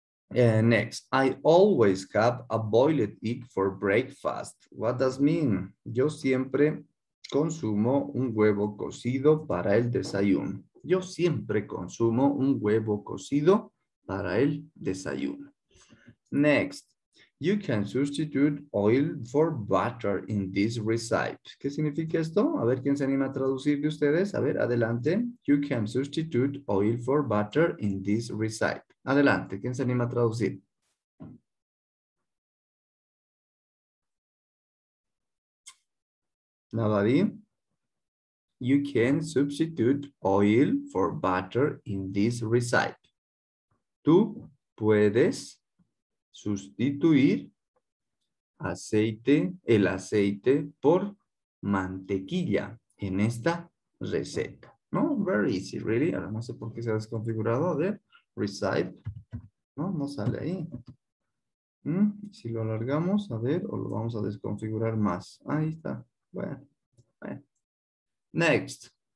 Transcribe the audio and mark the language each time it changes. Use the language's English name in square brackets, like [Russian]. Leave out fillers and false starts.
[English] Next, I always have a boiled egg for breakfast. What does mean? [Spanish] Yo siempre consumo un huevo cocido para el desayuno. Yo siempre consumo un huevo cocido para el desayuno. [English] Next, you can substitute oil for butter in this recipe. [Spanish] ¿Qué significa esto? A ver quién se anima a traducir de ustedes. A ver, adelante. [English] You can substitute oil for butter in this recipe. [Spanish] Adelante, ¿quién se anima a traducir? Nadie. [English] You can substitute oil for butter in this recipe. [Spanish] Tú puedes sustituir el aceite por mantequilla en esta receta. No, [English] very easy, really. [Spanish] Ahora no sé por qué se ha desconfigurado. A ver. Recipe, ¿no? No sale ahí. Si lo alargamos, a ver, o lo vamos a desconfigurar más. Ahí está. Bueno. Next.